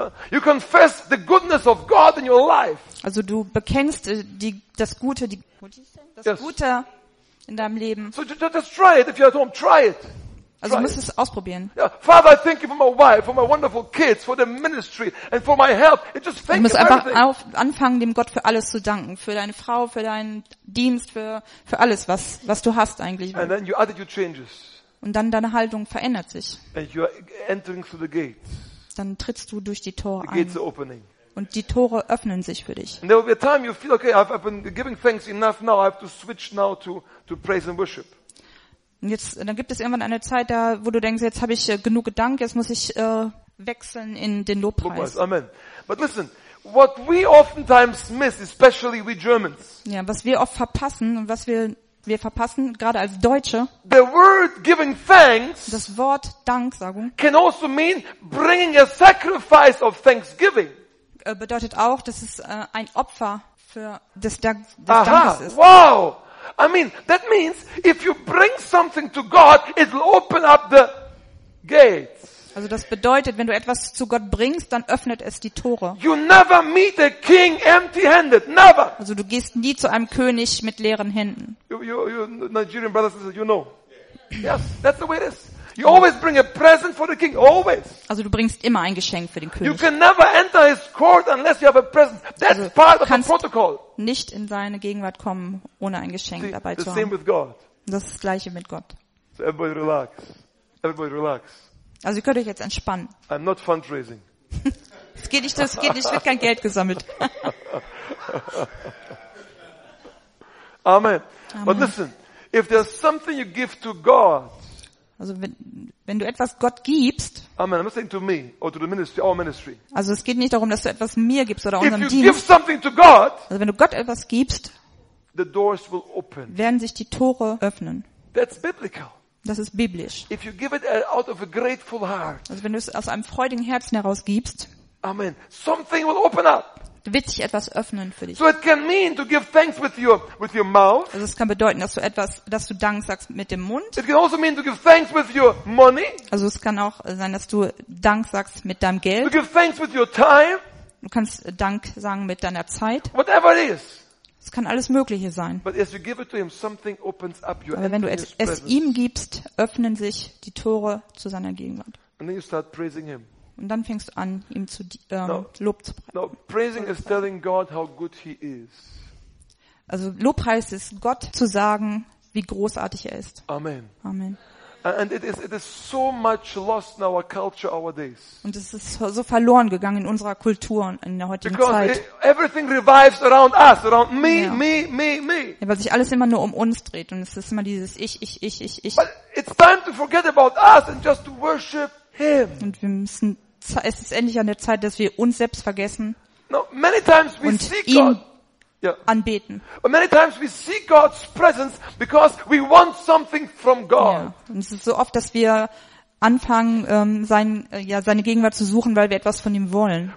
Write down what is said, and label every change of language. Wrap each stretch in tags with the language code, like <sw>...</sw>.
<en>You confess the goodness of God in your life.</en> <de>Also du bekennst das Gute in deinem Leben.</de> <en>So just try it if you're at home. Try it.</en> <de>Also du musst es ausprobieren.</de> <en>Yeah. Father, I thank you for my wife, for my wonderful kids, for the ministry and for my health. It just thank</en> <de>you. Du musst einfach anfangen, dem Gott für alles zu danken, für deine Frau, für deinen Dienst, für alles, was du hast eigentlich.</de> <en>And then your attitude changes.</en> <de>Und dann deine Haltung verändert sich.</de> <en>And you are entering through the gates.</en> <de>Dann trittst du durch die Tore ein.</de> <en>The gates are opening.</en> <de>Und die Tore öffnen sich für dich.</de> <en>And there will be a time you feel, okay, I've been giving thanks enough now. I have to switch now to praise and worship.</en> <de>Und jetzt, dann gibt es irgendwann eine Zeit, da, wo du denkst, jetzt habe ich genug Gedanken, jetzt muss ich wechseln in den Lobpreis.</de> <en>Amen. But listen, what we oftentimes miss, especially we Germans.</en> <de>Ja, was wir oft verpassen und was wir verpassen, gerade als Deutsche.</de> <en>The word giving thanks.</en> <de>Das Wort Danksagung.</de> <en>Can also mean bringing a sacrifice of thanksgiving.</en> <de>Bedeutet auch, dass es ein Opfer für des Dankes ist. Aha. Wow.</de> <en>I mean, that means if you bring something to God, it will open up the gates.</en> <de>Also das bedeutet, wenn du etwas zu Gott bringst, dann öffnet es die Tore.</de> <en>You never meet a king empty-handed. Never.</en> <de>Also du gehst nie zu einem König mit leeren Händen.</de> <en>You Nigerian brothers, you know. Yes, that's the way it is. You always bring a present for the king, always.</en> <de>Also du bringst immer ein Geschenk für den König.</de> <en>You can never enter his court unless you have a present. That's also part of the protocol.</en> <de>Nicht in seine Gegenwart kommen ohne ein Geschenk dabei zu haben.</de> <en>The same with God.</en> <de>Das ist das gleiche mit Gott.</de> <en>So everybody relax. Everybody relax.</en> <de>Also ihr könnt euch jetzt entspannen.</de> <en>I'm not fundraising.</en> <de>Es geht nicht, es wird kein Geld gesammelt.</de> <en>Amen. But listen, if there's something you give to God.</en> <de>Also wenn du etwas Gott gibst.</de> <en>Amen. I'm not saying to me or to the ministry, our ministry.</en> <de>Also es geht nicht darum, dass du etwas mir gibst oder unserem Dienst.</de> <en>If you give something to God.</en> <de>Also wenn du Gott etwas gibst.</de> <en>The doors will open.</en> <de>Werden sich die Tore öffnen.</de> <en>That's biblical.</en> <de>Das ist biblisch.</de> <en>If you give it out of a grateful heart.</en> <de>Also wenn du es aus einem freudigen Herzen heraus gibst.</de> <en>Amen. Something will open up.</en> <de>Wird sich etwas öffnen für dich.</de> <en>So it can mean to give thanks with your mouth.</en> <de>Also es kann bedeuten, dass du Dank sagst mit dem Mund.</de> <en>It can also mean to give thanks with your money.</en> <de>Also es kann auch sein, dass du Dank sagst mit deinem Geld.</de> <en>To give thanks with your time.</en> <de>Du kannst Dank sagen mit deiner Zeit.</de> <en>Whatever it is.</en> <de>Es kann alles Mögliche sein.</de> <en>But as you give it to him, something opens up your.</en> <de>Aber wenn du es ihm gibst, öffnen sich die Tore zu seiner Gegenwart.</de> <en>And then you start praising him.</en> <de>Und dann fängst du an, ihm zu Lob zu preisen.</de> <en>No, praising is telling God how good he is.</en> <de>Also Lobpreis ist Gott zu sagen, wie großartig er ist.</de> <en>Amen. Amen. And it is so much lost in our culture nowadays.</en> <de>Und es ist so verloren gegangen in unserer Kultur in der heutigen</de> <en>Because</en> <de>Zeit.</de> <en>Everything revives around us, around me, yeah. me.</en> <de>Ja, weil sich alles immer nur um uns dreht und es ist immer dieses ich.</de> <en>But it's time to forget about us and just to worship. Him.</en> <de>Und wir müssen, es ist endlich an der Zeit, dass wir uns selbst vergessen.</de> <en>No, many times we</en> <de>und</de> <en>seek</en> <de>ihn</de> <en>God.</en> <de>Yeah. Anbeten.</de> <en>But many times we seek God's presence because we want something from God.</en> <de>Ja. Und es ist so oft, dass wir anfangen, seine Gegenwart zu suchen, weil wir etwas von ihm wollen.</de>